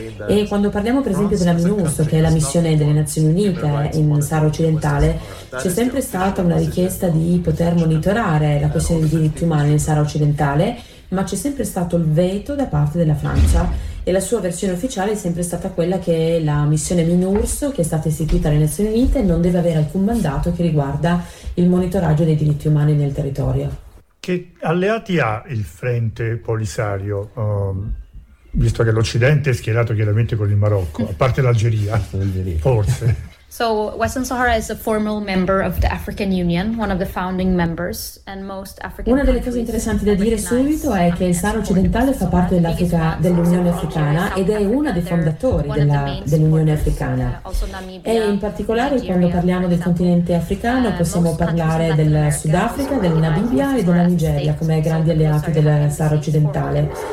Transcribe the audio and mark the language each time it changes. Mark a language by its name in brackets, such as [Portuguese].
[Italian] E quando parliamo per esempio della MINUSO, che è la missione del Nazioni Unite in Sahara occidentale, c'è sempre stata una richiesta di poter monitorare la questione dei diritti umani in Sahara occidentale, ma c'è sempre stato il veto da parte della Francia e la sua versione ufficiale è sempre stata quella che la missione MINURSO, che è stata istituita dalle Nazioni Unite, non deve avere alcun mandato che riguarda il monitoraggio dei diritti umani nel territorio. Che alleati ha il Frente Polisario? Visto che l'Occidente è schierato chiaramente con il Marocco, a parte l'Algeria, forse. [English] So Western Sahara is a formal member of the African Union, one of the founding members, and most African. [Italian] Una delle cose interessanti da dire subito è che il Sahara occidentale fa parte dell'Unione Africana ed è una dei fondatori dell'Unione Africana. E in particolare quando parliamo del continente africano possiamo parlare del Sudafrica, della Namibia e della Nigeria come grandi alleati del Sahara occidentale.